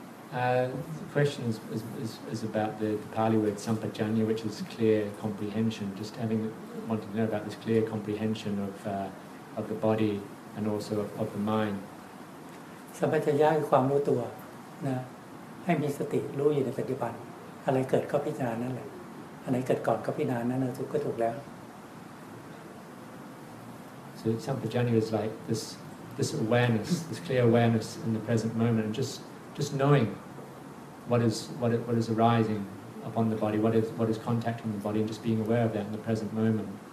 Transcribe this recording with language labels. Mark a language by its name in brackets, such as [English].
[English] The question is about the Pali word sampajanya, which is clear comprehension. Just having wanted to know about this clear comprehension of the body and also of the mind. Sampajanya is [Thai] ความรู้ตัวนะให้มีสติรู้อยู่ในปัจจุบันอะไรเกิดก็พิจารณานั่นแหละอะไรเกิดก่อนก็พิจารณานั่นแหละทุกก็ถูกแล้ว [English] So sampajanya is like this awareness, this clear awareness in the present moment, and just knowing what is arising upon the body, what is contacting the body, and just being aware of that in the present moment.